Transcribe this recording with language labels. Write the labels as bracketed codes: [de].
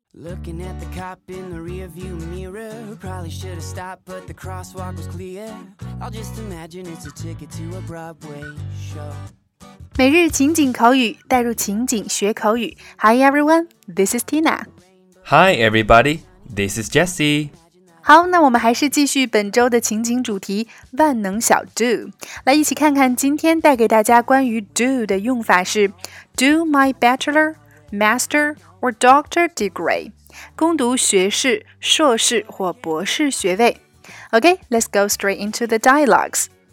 [en] Looking at the cop in the rearview mirror, probably should have stopped, but the crosswalk was clear. I'll just imagine it's a ticket to a Broadway show. [zh] 每日情景口语，带入情景学口语。 [en] Hi everyone, this is Tina. Hi everybody, this is Jesse. [zh] 好，那我们还是继续本周的情景主题，万能小 do。来一起看看今天带给大家关于 do 的用法是 [en] do my bachelor, master, or doctor degree, [zh] 攻读学士、硕士或博士学位。 [en] Okay, let's go straight into the dialogues.